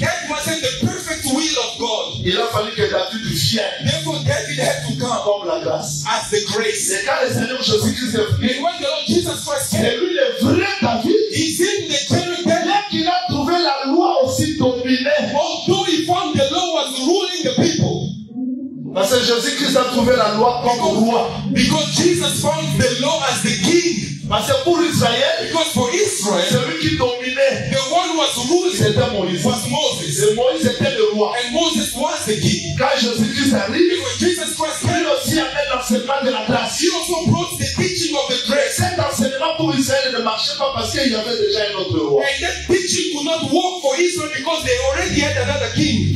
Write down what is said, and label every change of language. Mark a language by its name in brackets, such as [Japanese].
[English] That wasn't the perfect will of God. [French] Il a fallu que David vienne. [English] Therefore, David had to come. [French] Comme la grâce. [English] As the grace. [French] Et quand le Seigneur Jésus-Christ est venu. [English] And when the Lord Jesus Christ came. [French] C'est lui le vrai David. [English] Is in the genuine David. [French] Dès qu'il a trouvé la loi aussi dominée. [English] Although he found the law was ruling the people. [French] Parce que Jésus-Christ a trouvé la loi comme roi. [English] Because Jesus found the law as the king. [French] Parce que pour Israël, [English] because for Israel, [French] celui qui dominait, [English] the one who was ruling, [French] c'était Moïse. [English] Was Moses. [French] Et Moïse était le roi. [English] And Moses was the king. [French] Quand Jésus-Christ arrive, [English] when Jesus Christ [French] came, il aussi amène l'enseignement de la grâce. [English] He also brought the teaching of the grace. [French] Cet enseignement pour Israël ne marchait pas parce qu'il y avait déjà un autre roi. [English] And that teaching could not work for Israel because they already had another king.